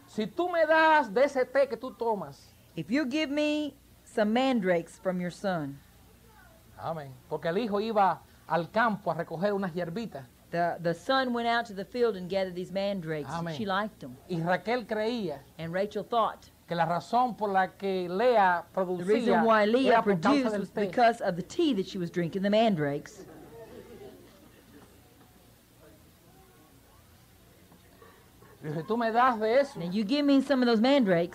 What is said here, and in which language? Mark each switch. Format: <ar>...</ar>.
<es>si tú me das de ese té que tú tomas,</es> <en>if you give me some mandrakes from your son,</en> <es>amén, porque el hijo iba al campo a recoger unas hierbitas,</es> <en>The sun went out to the field and gathered these mandrakes. Amén. She liked them.</en> <es>Y Raquel creía.</es> <en>And Rachel thought.</en> <es>Que la razón por la que Lea producía.</es> <en>The reason why Leah produced was because of the tea that she was drinking, the mandrakes.</en> <es>Dice, tú me das de eso.</es> <en>Now you give me some of those mandrakes.</en>